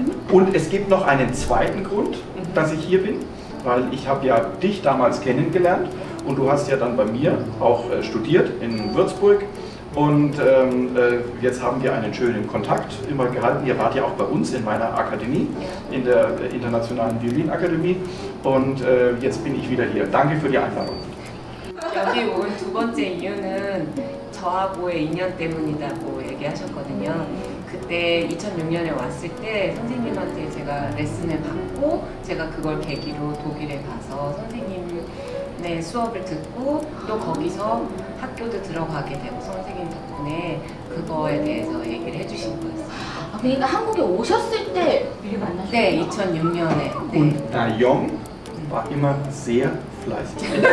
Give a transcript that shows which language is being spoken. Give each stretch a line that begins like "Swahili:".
German: Und es gibt noch einen zweiten Grund, dass ich hier bin, weil ich habe ja dich damals kennengelernt und du hast ja dann bei mir auch studiert in Würzburg. Und jetzt haben wir einen schönen Kontakt immer gehalten. Ihr wart ja auch bei uns in meiner Akademie, in der Internationalen Violinakademie. Und jetzt bin ich wieder hier. Danke für die Einladung.
Korean: 여기 온 두 번째 이유는 저하고의 인연 때문이라고 얘기하셨거든요. 그때 2006년에 왔을 때 선생님한테 제가 레슨을 받고 제가 그걸 계기로 독일에 가서 선생님의 수업을 듣고 또 거기서 학교도 들어가게 되고 선생님 덕분에 그거에 대해서 얘기를 해주신 거였어요. 아, 그러니까 한국에 오셨을 때 미리 만나셨어요? 네, 2006년에. 네.
German: Und da Jung war immer sehr fleißig.